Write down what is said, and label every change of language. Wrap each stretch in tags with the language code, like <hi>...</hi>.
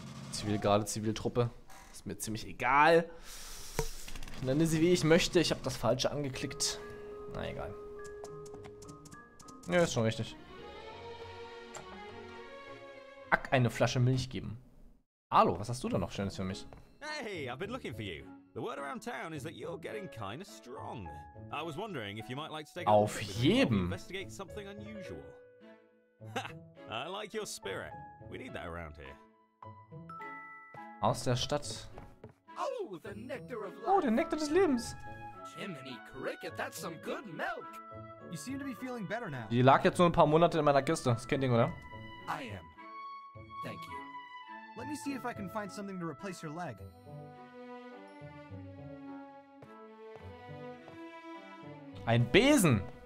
<de>Zivilgarde, Ziviltruppe. Ist mir ziemlich egal. Ich nenne sie, wie ich möchte. Ich habe das Falsche angeklickt. Na, egal. Ja, ist schon richtig. Ack, eine Flasche Milch geben. Hallo, was hast du da noch Schönes für mich?</de> <en>Hey, I've been looking for you. The word around town is that you're getting kind of strong. I was wondering if you might like to take</en> <de>auf jedem.</de> <en>Investigate something unusual. Ha, I like your spirit. We need that around here.</en> <de>Aus der Stadt. Oh, der Nektar des Lebens.</de> <en>Jiminy Cricket, that's some good milk. You seem to be feeling better now.</en> <de>Die lag jetzt nur ein paar Monate in meiner Kiste. Das kennt ihr, oder?</de> <en>I am. Thank you. Let me see if I can find something to replace your leg.</en> <de>Ein Besen!</de>